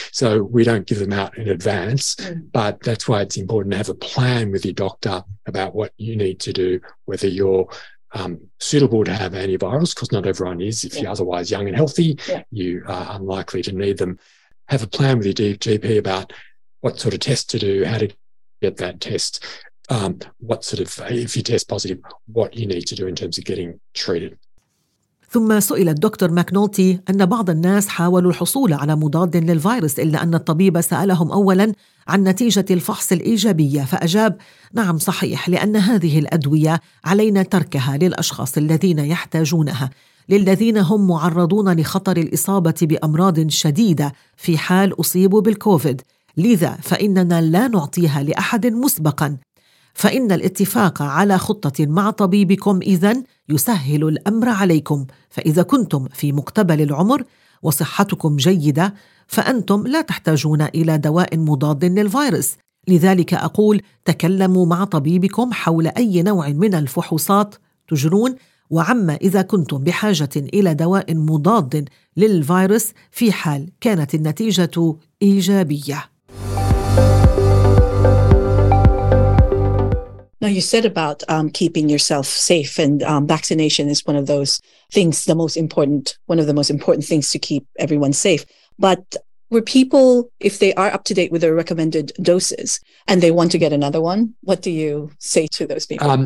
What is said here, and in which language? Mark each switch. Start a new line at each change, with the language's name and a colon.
English: So we don't give them out in advance, but that's why it's important to have a plan with your doctor about what you need to do, whether you're suitable to have antivirals, because not everyone is. If you're otherwise young and healthy, you are unlikely to need them. Have a plan with your GP about what sort of test to do, how to get that test, what sort of, if you test positive, what you need to do in terms of getting treated.
Arabic: ثم سئل الدكتور ماكنولتي أن بعض الناس حاولوا الحصول على مضاد للفيروس إلا أن الطبيب سألهم أولاً عن نتيجة الفحص الإيجابية، فأجاب: نعم صحيح، لأن هذه الأدوية علينا تركها للأشخاص الذين يحتاجونها، للذين هم معرضون لخطر الإصابة بأمراض شديدة في حال أصيبوا بالكوفيد، لذا فإننا لا نعطيها لأحد مسبقاً، فإن الاتفاق على خطة مع طبيبكم إذن يسهل الأمر عليكم، فإذا كنتم في مقتبل العمر وصحتكم جيدة فأنتم لا تحتاجون إلى دواء مضاد للفيروس، لذلك أقول تكلموا مع طبيبكم حول أي نوع من الفحوصات تجرون، وعما إذا كنتم بحاجة إلى دواء مضاد للفيروس في حال كانت النتيجة إيجابية.
English: Now you said about keeping yourself safe, and vaccination is one of those things, the most important, one of the most important things to keep everyone safe. But Were people, if they are up to date with their recommended doses and they want to get another one, what do you say to those people?